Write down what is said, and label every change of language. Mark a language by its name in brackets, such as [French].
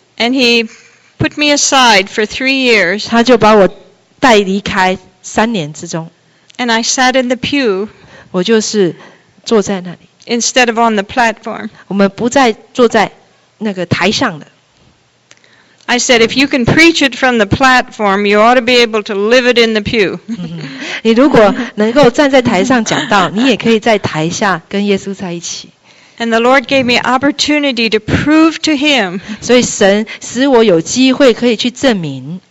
[English] And he put me aside for 3 years. [Chinese] 他就把我带离开三年之中。 [English] And I sat in the pew. [Chinese] 我就是坐在那里。 [English] Instead of on the platform. [Chinese] 我们不再坐在那个台上的。 [English] I said, if you can preach it from the platform, you ought to be able to live it in the pew. [Chinese] 你如果能够站在台上讲道，你也可以在台下跟耶稣在一起。 [English] And the Lord gave me opportunity to prove to Him. [Chinese] 所以神使我有机会可以去证明